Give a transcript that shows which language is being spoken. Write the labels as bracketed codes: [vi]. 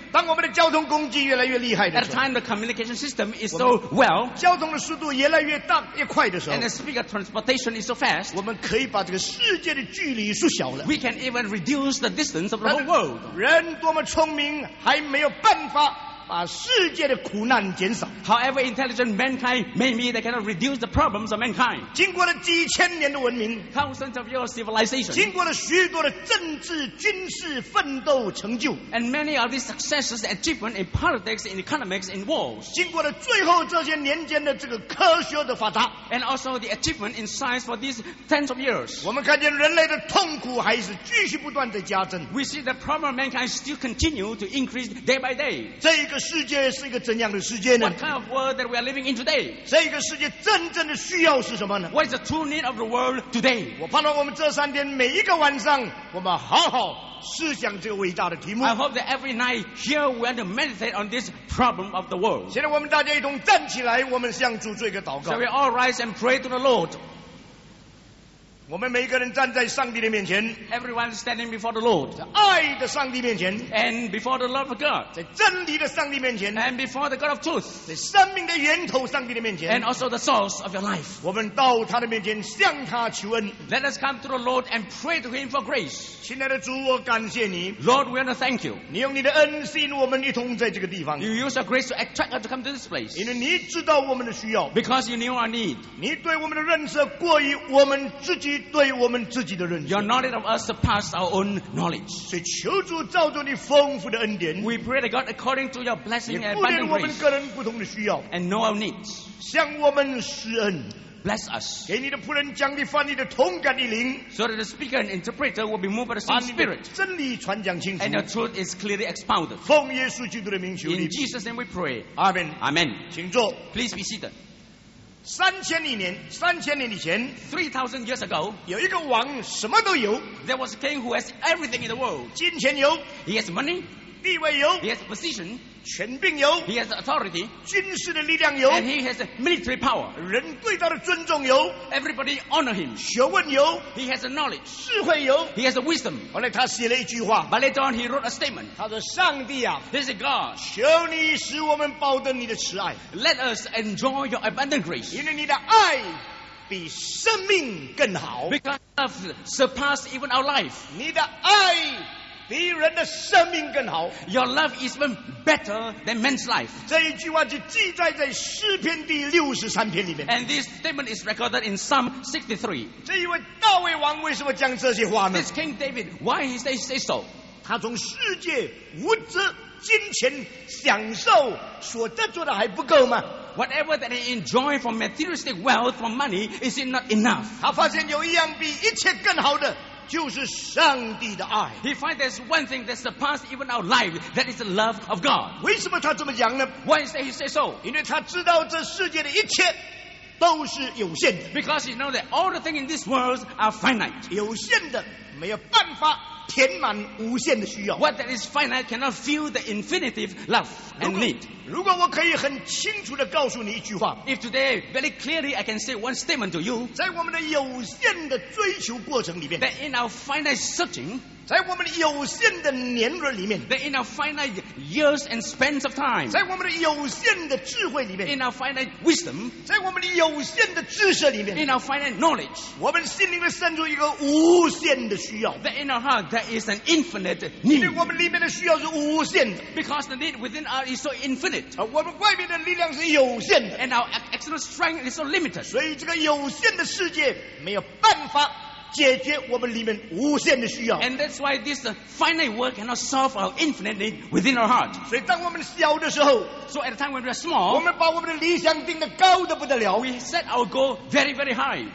[zh] 当我们的交通工具越来越厉害的时候。 [en] At time the communication system is so well. [zh] 交通的速度越来越大越快的时候。 [en] And the speed of transportation is so fast. [zh] 我们可以把这个世界的距离缩小了。 [en] We can even reduce the distance of the whole world. [zh] 人多么聪明，还没有办法把世界的苦难减少。 [en] However intelligent mankind may be, they cannot reduce the problems of mankind. [zh] 经过了几千年的文明 [en] ，thousands of years civilization. [zh] 经过了许多的政治、军事奋斗成就 [en] ，and many of these successes and achievements in politics, in economics, in wars. [zh] 经过了最后这些年间的这个科学的发达 [en] ，and also the achievement in science for these tens of years. [zh] 我们看见人类的痛苦还是继续不断的加增。 [en] We see the problem of mankind still continue to increase day by day. [zh] 这个世界是一个怎样的世界呢 [en] ？What kind of world that we are living in today？ [zh] 这个世界真正的需要是什么呢 [en] ？What is the true need of the world today？ [zh] 我盼望我们这三天每一个晚上，我们好好思想这个伟大的题目。 [en] I hope that every night here we are to meditate on this problem of the world。 [zh] 现在我们大家一同站起来，我们向主做一个祷告。 [en] Shall we all rise and pray to the Lord？ [zh] 我们每一个人站在上帝的面前 [en] Everyone standing before the Lord [zh] 在爱的上帝面前 [en] And before the love of God [zh] 在真理的上帝面前 [en] And before the God of truth [zh] 在生命的源头上帝的面前 [en] And also the source of your life [zh] 我们到他的面前向他求恩 [en] Let us come to the Lord and pray to him for grace [zh] 亲爱的主我感谢你 [en] Lord we want to thank you [zh] 你用你的恩吸引我们一同在这个地方 [en] You use your grace to attract us to come to this place [zh] 因为你知道我们的需要 [en] Because you knew our need [zh] 你对我们的认识过于我们自己对我们自己的认识 [en] Your knowledge of us surpass our own knowledge [zh] 所以求主造就你丰富的恩典 [en] We pray to God according to your blessing and abundant grace [zh] 也顾念我们个人不同的需要 [en] And know our needs [zh] 向我们施恩 [en] Bless us [zh] 给你的仆人将你翻译的同感一灵 [en] So that the speaker and interpreter will be moved by the same spirit [zh] 把你的真理传讲清楚 [en] And your truth is clearly expounded [zh] 奉耶稣基督的名求你 [en] In Jesus' name we pray Amen Amen [zh] 请坐 [en] Please be seated [zh] 3000年以前 [en] 3000 years ago [zh] 有一个王什么都有 [en] There was a king who has everything in the world [zh] 金钱有 [en] He has money [zh] 地位有 [en] He has a position [zh] 权柄有 [en] He has authority [zh] 军事的力量有 [en] And he has a military power [zh] 人对他的尊重有 [en] Everybody honor him [zh] 学问有 [en] He has a knowledge [zh] 智慧有 [en] He has a wisdom [zh] 后来他写了一句话 [en] But later on he wrote a statement [zh] 他说上帝啊 [en] This is God [zh] 求你使我们报得你的慈爱 [en] Let us enjoy your abundant grace [zh] 因为你的爱比生命更好 [en] Because love surpass even our life [zh] 你的爱 [en] Your love is even better than man's life. [zh] 这一句话就记载在诗篇第63篇里面。 [en] And this statement is recorded in Psalm 63. [zh] 这一位大卫王为什么讲这些话呢? [en] This King David, why he says so? [zh] 他从世界物质、金钱、享受所得做的还不够吗? [en] Whatever that he enjoyed from materialistic wealth, from money, is it not enough? [zh] 他发现有一样比一切更好的。就是上帝的爱。 [en] He finds there's one thing that surpasses even our life, that is the love of God. [zh] 为什么他这么讲呢? [en] Why does he say so? [zh] 因为他知道这世界的一切 都是有限的。 [en] Because he knows that all the things in this world are finite. [zh] 有限的没有办法填满无限的需要。 [en] What that is finite cannot fill the infinitive love and need. [zh] 如果我可以很清楚地告诉你一句话, [en] if today, very clearly, I can say one statement to you, [zh] 在我们的有限的追求过程里面, [en] that in our finite searching, [zh] 在我们有限的年轮里面, [en] that in our finite years and spans of time, [zh] 在我们有限的智慧里面, [en] in our finite wisdom, [zh] 在我们有限的知识里面, [en] in our finite knowledge, [zh] 我们心灵里面生出一个无限的需要, [en] that in our heart there is an infinite need. [zh] 因为我们里面的需要是无限的, [en] because the need within us is so infinite, [zh] 而我们外面的力量是有限的, [en] and our external strength is so limited. [zh] 所以这个有限的世界没有办法 [en] And that's why this finite world cannot solve our infinite need within our heart. So at the time when we are small, we set our goal very, very high.